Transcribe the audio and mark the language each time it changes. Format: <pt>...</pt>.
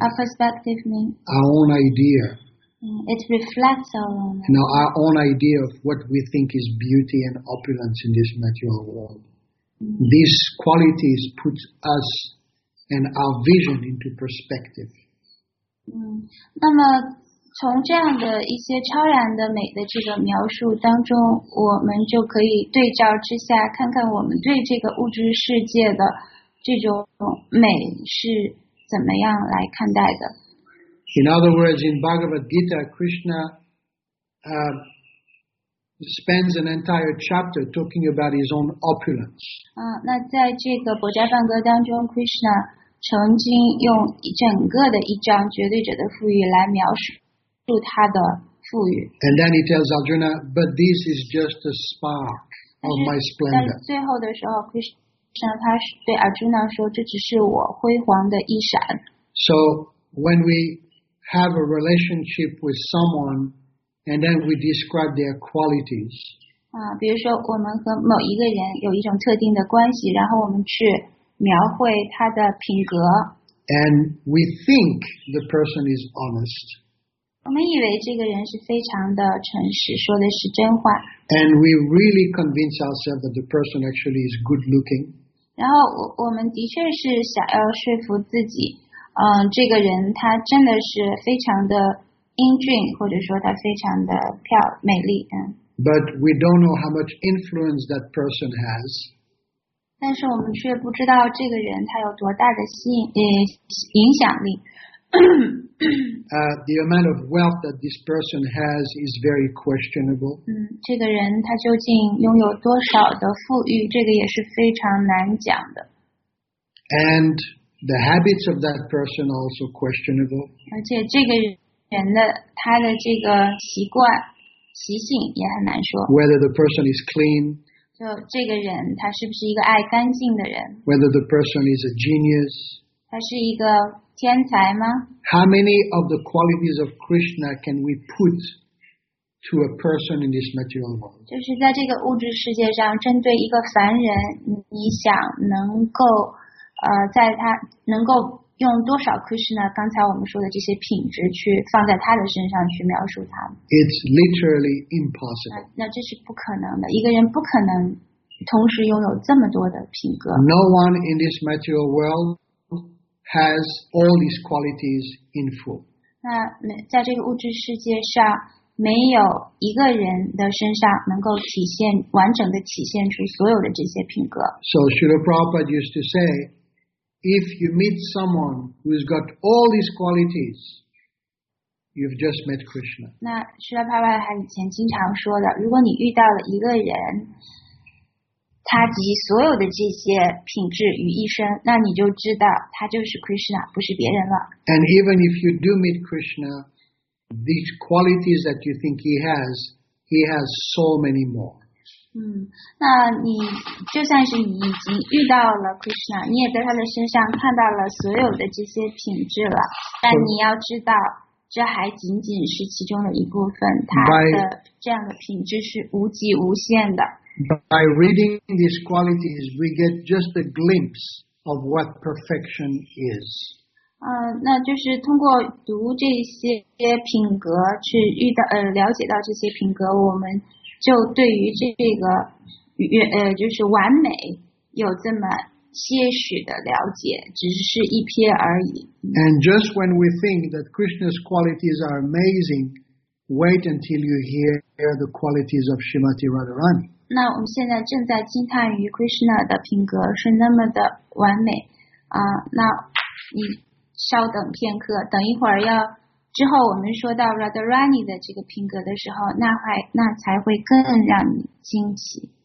<en>A perspective means our own idea. It reflects our own. Now, our own idea of what we think is beauty and opulence in this material world. These qualities put us and our vision into perspective.</en> <zh>那么从这样的一些超然的美的这个描述当中，我们就可以对照之下看看我们对这个物质世界的这种美是。怎么样来看待的？</zh> <en>In other words, in Bhagavad Gita, Krishna spends an entire chapter talking about his own opulence.</en> <zh>那在这个《薄伽梵歌》当中 ，Krishna 曾经用整个的一章《绝对者的富裕》来描述他的富裕。</zh> <en>And then he tells Arjuna, "But this is just a spark of my splendor."</en> <zh>但是最后的时候 ，Krishna。他对 Arjuna 说，这只是我辉煌的一闪。</zh> <en>So when we have a relationship with someone, and then we describe their qualities.</en> <zh>比如说我们和某一个人有一种特定的关系，然后我们去描绘他的品格。</zh> <en>And we think the person is honest.</en> <zh>我们以为这个人是非常的诚实，说的是真话。</zh> <en>And we really convince ourselves that the person actually is good looking.</en> <zh>然后我们的确是想要说服自己，这个人他真的是非常的英俊，或者说他非常的漂亮美丽。</zh> <en>But we don't know how much influence that person has.</en> <zh>但是我们却不知道这个人他有多大的影响力。</zh> <en>The amount of wealth that this person has is very questionable.</en> <zh>这个人他究竟拥有多少的富裕，这个也是非常难讲的。</zh> <en>And the habits of that person also questionable.</en> <zh>而且这个人的他的这个习惯习性也很难说。</zh> <en>Whether the person is clean.</en> <zh>就这个人他是不是一个爱干净的人。</zh> <en>Whether the person is a genius.</en> <zh>他是一个。天才吗？</zh> <en>How many of the qualities of Krishna can we put to a person in this material world?</en> <zh>就是在这个物质世界上，针对一个凡人，你想能够在他能够用多少 Krishna？刚才我们说的这些品质去放在他的身上去描述他。</zh> <en>It's literally impossible.</en> <zh>那这是不可能的，一个人不可能同时拥有这么多的品格。</zh> <en>No one in this material world. Has all these qualities in full.</en> <zh>那在这个物质世界上，没有一个人的身上能够体现完整的体现出所有的这些品格。</zh> <en>So Srila Prabhupada used to say, if you meet someone who's got all these qualities, You've just met Krishna.</en> <zh>那释迦牟尼还以前经常说的，如果你遇到了一个人，他集所有的这些品质于一身，那你就知道他就是 Krishna， 不是别人了。 And even if you do meet Krishna, these qualities that you think he has so many more. 那你就算是你已经遇到了 Krishna， 你也在他的身上看到了所有的这些品质了，但你要知道。这还仅仅是其中的一部分，他的这样的品质是无极无限的。</zh> <en>By reading these qualities, we get just a glimpse of what perfection is.</en> <zh>那就是通过读这些品格，去遇到了解到这些品格，我们就对于这个就是完美有这么。些许的了解，只是一瞥而已。</zh> <en>And just when we think that Krishna's qualities are amazing, wait until you hear the qualities of Srimati Radharani.</en> <zh>那我们现在正在惊叹于 Krishna 的品格是那么的完美啊！那你稍等片刻，等一会儿要之后我们说到 Radharani 的这个品格的时候，那才会更让你惊奇。</zh>